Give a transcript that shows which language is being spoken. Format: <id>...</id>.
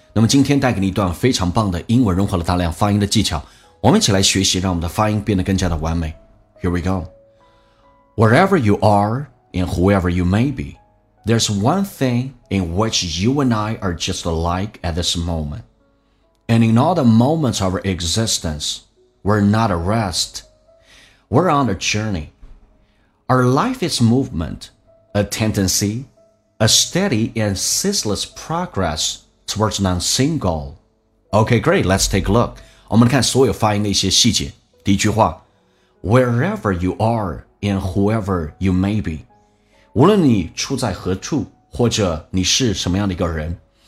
<zh>那么今天带给你一段非常棒的英文融合了大量发音的技巧，我们一起来学习，让我们的发音变得更加的完美。</zh> <en>Here we go. Wherever you are and whoever you may be, there's one thing in which you and I are just alike at this moment. And in all the moments of our existence, we're not at rest. We're on a journey. Our life is movementA tendency, a steady and ceaseless progress towards an unseen goal. Okay, great, let's take a look.</en> <zh>我们来看所有发音的一些细节。第一句话，</zh> <en>Wherever you are and whoever you may be.</en> <zh>无论你处在何处，或者你是什么样的一个人。</zh>